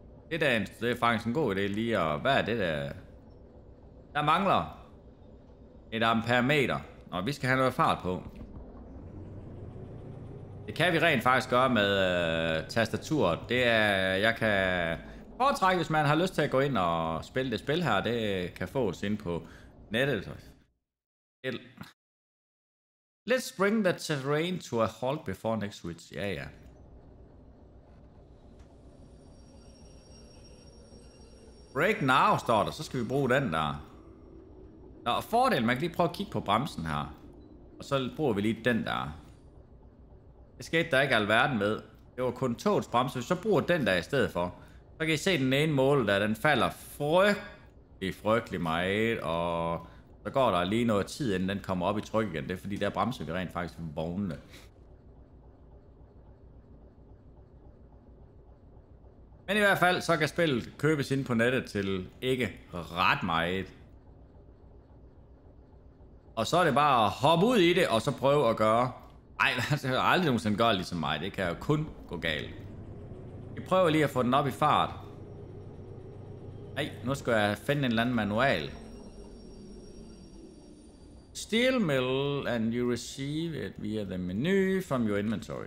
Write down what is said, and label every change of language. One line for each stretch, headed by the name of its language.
Danish: Det der, det er faktisk en god idé lige at... hvad er det der? Der mangler et amperemeter. Nå, vi skal have noget fart på. Det kan vi rent faktisk gøre med tastaturet. Det er, jeg kan foretrække, hvis man har lyst til at gå ind og spille det spil her. Det kan fås ind på nettet.
English: Let's bring the terrain to a halt before next switch.
Danish: Ja, ja.
English: Break now,
Danish: står der. Så skal vi bruge den der. Nå, fordel, man kan lige prøve at kigge på bremsen her. Og så bruger vi lige den der. Det skete der ikke alverden med. Det var kun togets bremse. Hvis så bruger den der i stedet for, så kan I se den ene måle der, den falder frygtelig, frygtelig meget. Og så går der lige noget tid, inden den kommer op i tryk igen. Det er fordi, der bremser vi rent faktisk vognene. Men i hvert fald, så kan spillet købes ind på nettet til ikke ret meget. Og så er det bare at hoppe ud i det, og så prøve at gøre... Ej, det kan jeg aldrig nogensinde gøre ligesom mig. Det kan jo kun gå galt. Vi prøver lige at få den op i fart. Ej, nu skal jeg finde en eller anden manual.
English: Steel mill, and you receive it via the menu from your inventory.